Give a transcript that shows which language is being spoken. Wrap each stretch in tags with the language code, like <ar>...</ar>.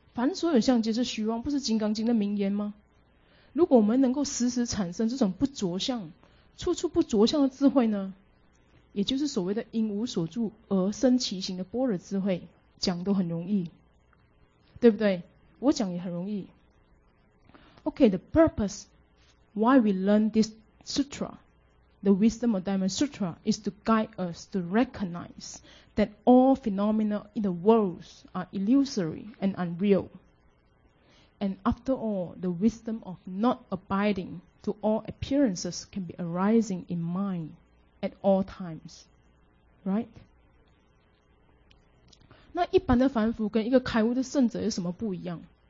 <zh>凡所有相皆是虚妄，不是《金刚经》的名言吗？如果我们能够时时产生这种不着相， 处处不着相的智慧呢， 也就是所谓的因无所住而生其行的般若智慧， 讲都很容易， 对不对？我讲也很容易。</zh> <en>Okay, the purpose why we learn this sutra, the Wisdom of Diamond Sutra, is to guide us to recognize that all phenomena in the world are illusory and unreal. And after all, the wisdom of not abiding to all appearances can be arising in mind at all times. Right?</en> <zh>那一般的凡夫跟一个开悟的圣者有什么不一样?</zh>